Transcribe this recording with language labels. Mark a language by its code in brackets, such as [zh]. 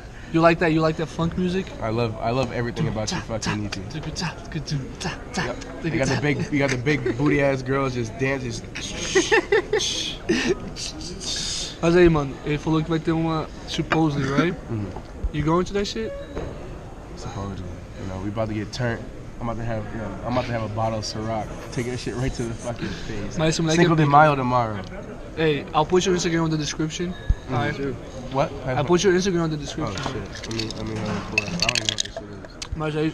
[en] You like that? You like that funk music? I love everything about you fucking YouTube. Yep. You got the big booty ass girls just dancing. [pt] Mas aí, mano, ele falou que vai ter uma [en] supposedly, right? You going to that shit? Supposedly. You know, we about to get turned. I'm about to have a bottle of Ciroc. Take that shit right to the fucking face. Cinco de Mayo tomorrow. Hey, I'll put your Instagram in the description. What? I put your Instagram in the description. Oh shit. Let me pull it. I don't even know what this shit is.